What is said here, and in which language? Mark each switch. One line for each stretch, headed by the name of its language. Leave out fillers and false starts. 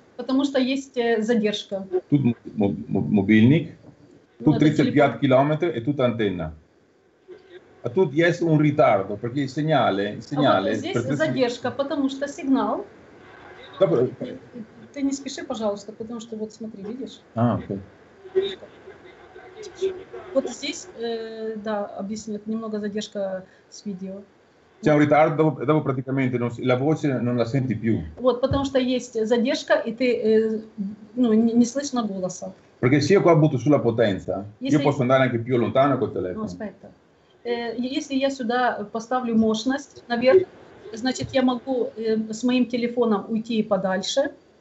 Russian: Потому что есть задержка. Тут мобильник, тут 35 км и тут антенна. А тут есть
Italian: un ritardo, perché il segnale.
Russian: Вот здесь задержка, потому что сигнал. Добро. Ты не спеши, пожалуйста, потому что вот смотри, видишь? А, окей. Вот здесь, да, объясню, немного задержка с видео.
Italian: C'è un ritardo, dopo praticamente la voce non la senti più.
Russian: Вот, потому что есть задержка, и ты, ну, не слышно голоса.
Italian: Perché se io qua butto sulla potenza, io posso andare anche più lontano col telefono. No, aspetta.
Russian: Если я сюда поставлю мощность наверх, значит, я могу с моим телефоном уйти подальше.